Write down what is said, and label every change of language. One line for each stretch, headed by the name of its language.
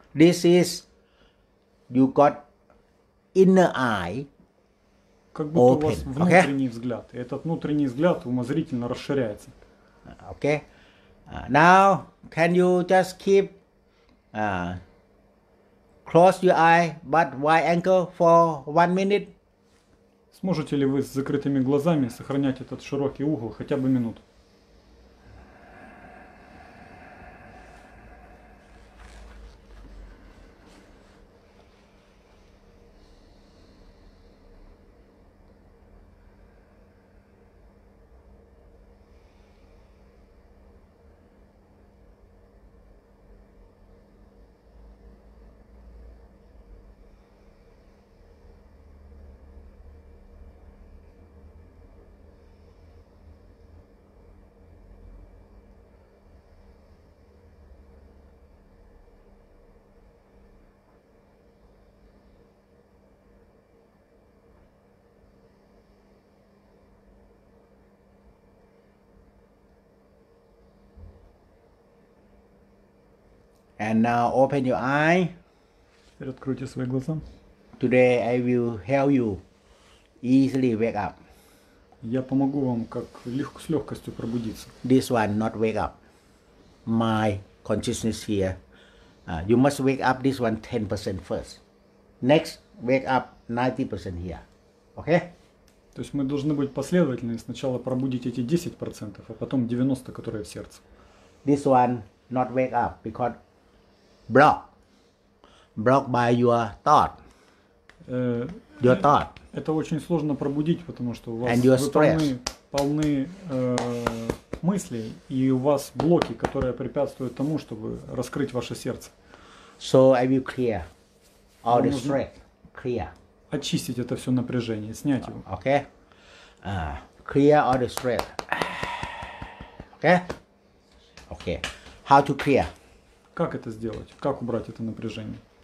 English: This is you got inner eye.
Russian: Как будто open. У вас внутренний взгляд. И этот внутренний взгляд умозрительно расширяется.
English: Okay. Now, can you just keep close your eye, but wide angle for 1 minute?
Russian: Сможете ли вы с закрытыми глазами сохранять этот широкий угол хотя бы минуту?
English: And now open your eye.
Russian: Теперь откройте свои глаза.
English: Today I will help you easily wake up.
Russian: Я помогу вам как легко с легкостью пробудиться.
English: This one not wake up. My consciousness here. You must wake up this one 10% first. Next, wake up 90% here. Okay?
Russian: То есть мы должны быть последовательны. Сначала пробудить эти 10%, а потом 90%, которые в сердце.
English: This one not wake up because Block by your thought. Your thought.
Russian: Это очень сложно пробудить, потому что у вас полны мыслей, и у вас блоки, которые препятствуют тому, чтобы раскрыть ваше сердце.
English: So I will clear all the stress. Clear.
Russian: Очистить это все напряжение, снять его.
English: Okay. Clear all the stress. Okay. Okay. How to clear?
Russian: Как это сделать? Как убрать это напряжение?